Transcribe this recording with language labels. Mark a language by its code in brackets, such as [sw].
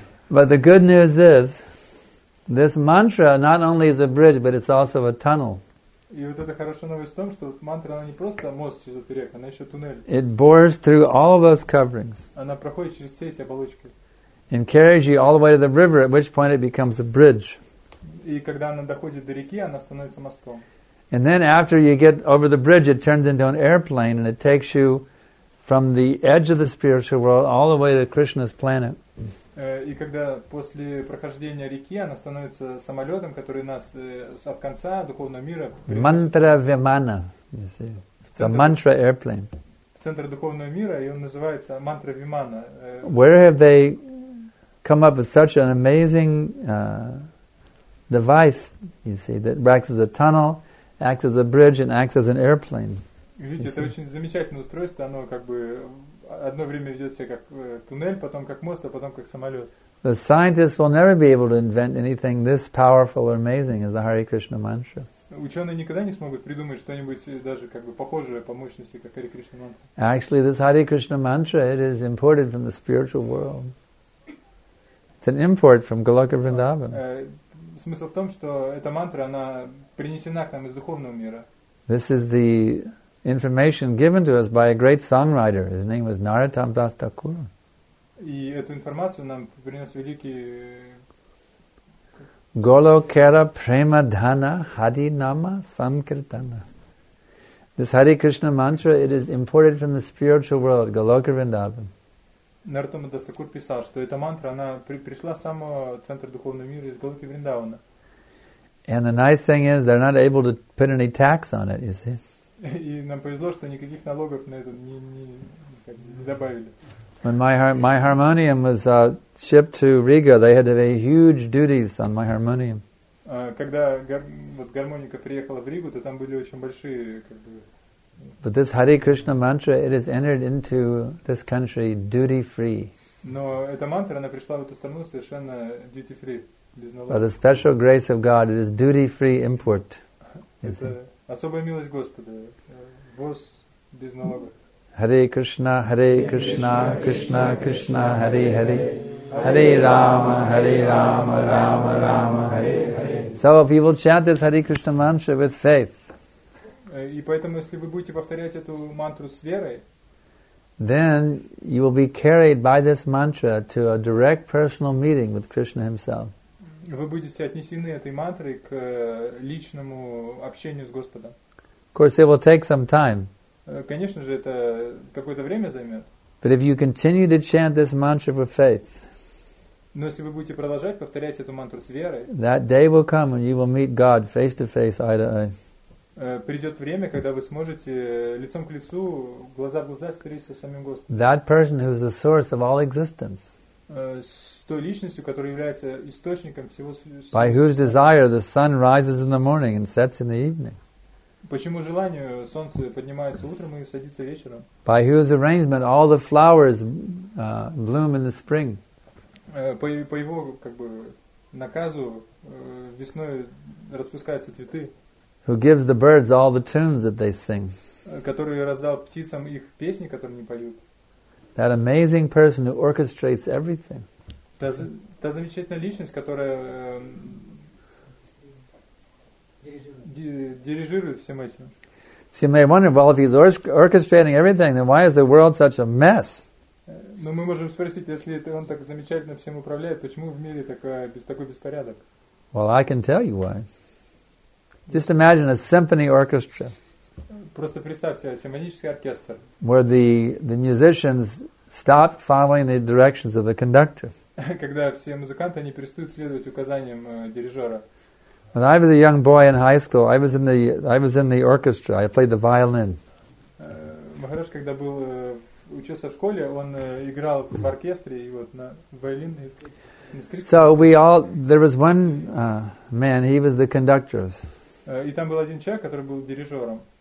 [en] But the good news is, this mantra not only is a bridge, but it's also a tunnel. [ru] И вот эта хорошая новость в том, что мантра, она не просто мост через этот рек, она еще туннель. [en] It bores through all of those coverings. [ru] Она проходит через все эти оболочки. [en] And carries you all the way to the river, at which point it becomes a bridge. [ru] И когда она доходит до реки, она становится мостом. [en] And then after you get over the bridge, it turns into an airplane, and it takes you from the edge of the spiritual world all the way to Krishna's planet. [ru] И когда после прохождения реки, она становится самолетом, который нас от конца духовного мира... [en] Mantra Vimana, you see. It's a mantra airplane. [ru] Центр духовного мира, и он называется Mantra Vimana. [en] Where have they... come up with such an amazing device, you see, that acts as a tunnel, acts as a bridge, and acts as an airplane. [ru] Видите, это очень замечательное устройство. Оно как бы одно время ведет себя как туннель, потом как мост, а потом как самолет. [en] The scientists will never be able to invent anything this powerful or amazing as the Hare Krishna mantra. [ru] Ученые никогда не смогут придумать что-нибудь даже как бы похожее по мощности, как Hare Krishna mantra. [en] Actually, this Hare Krishna mantra, it is imported from the spiritual world. It's an import from Goloka Vrindavan. [ru] Смысл в том, что эта мантра, она принесена к нам из духовного мира. [en] This is the information given to us by a great songwriter. His name was Narottam Das Thakur. [ru] И эту информацию нам принес великий... [bn] Golokera Premadhana Hadi Nama Sankirtana. [en] This Hare Krishna mantra, it is imported from the spiritual world, Goloka Vrindavan. [ru] Нартама Дас Такур писал, что эта мантра, она пришла с самого центра духовного мира, из Голоки Вриндавана. [en] And the nice thing is, they're not able to put any tax on it, you see. [ru] И нам повезло, что никаких налогов на это не добавили. [en] When my harmonium was shipped to Riga, they had to pay huge duties on my harmonium. [ru] Когда гармоника приехала в Ригу, то там были очень большие... как бы. [en] But this Hare Krishna mantra, it has entered into this country duty-free. [ru] Но эта мантра, она пришла в эту страну совершенно duty-free, без налогов. [en] By the special grace of God, it is duty-free import. [ru] Это особая милость Господа. Ввоз без налогов. [sa] Hare Krishna, Krishna, Krishna, Hare Hare. Hare Rama, Hare Rama, Rama Rama, Hare Hare. [en] So if you will chant this Hare Krishna mantra with faith, [ru] и поэтому, если вы будете повторять эту мантру с верой, [en] then you will be carried by this mantra to a direct personal meeting with Krishna himself. [ru] Вы будете отнесены этой мантрой к личному общению с Господом. [en] Of course, it will take some time. [ru] Конечно же, это какое-то время займет. [en] But if you continue to chant this mantra with faith, [ru] Но если вы будете продолжать повторять эту мантру с верой, [en] that day will come when you will meet God face to face, eye to eye. [ru] Придет время, когда вы сможете лицом к лицу, глаза в глаза встретиться с самим Господом. [en] That person who is the source of all existence. [ru] С той личностью, которая является источником всего существования. [en] By whose desire the sun rises in the morning and sets in the evening. [ru] По чьему желанию солнце поднимается утром и садится вечером. [en] By whose arrangement all the flowers bloom in the spring. [ru] По его как бы наказу весной распускаются цветы. [en] Who gives the birds all the tunes that they sing. [ru] Который раздал птицам их песни, которые они поют. [en] That amazing person who orchestrates everything. [ru] Та замечательная личность, которая дирижирует всем этим. [en] So you may wonder, well, if he's orchestrating everything, then why is the world such a mess? [ru] Но мы можем спросить, если он так замечательно всем управляет, почему в мире такой беспорядок? [en] Well, I can tell you why. Just imagine a symphony orchestra. [ru] Просто представьте симфонический оркестр. [en] Where the musicians stop following the directions of the conductor. [ru] Когда все музыканты не перестают следовать указаниям дирижера. [en] When I was a young boy in high school, I was in the orchestra. I played the violin. [ru] Махараш, когда был учился в школе, он играл в оркестре и вот на violin. [en] So we all there was one man. He was the conductor. [ru] И там был один человек, который был дирижером.